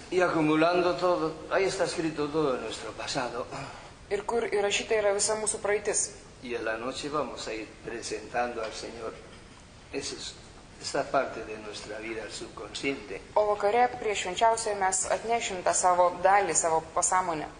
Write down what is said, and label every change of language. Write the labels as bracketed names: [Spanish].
[Spanish] Y acumulando todo, ahí está escrito todo nuestro pasado. [Lithuanian] Ir kur įrašyta yra visa mūsų praeitis. [Spanish] Y a la noche vamos a ir presentando al Señor esa parte de nuestra vida, el subconsciente. [Lithuanian] O vakare prieš švenčiausiai mes atnešim tą savo dalį, savo pasąmonę.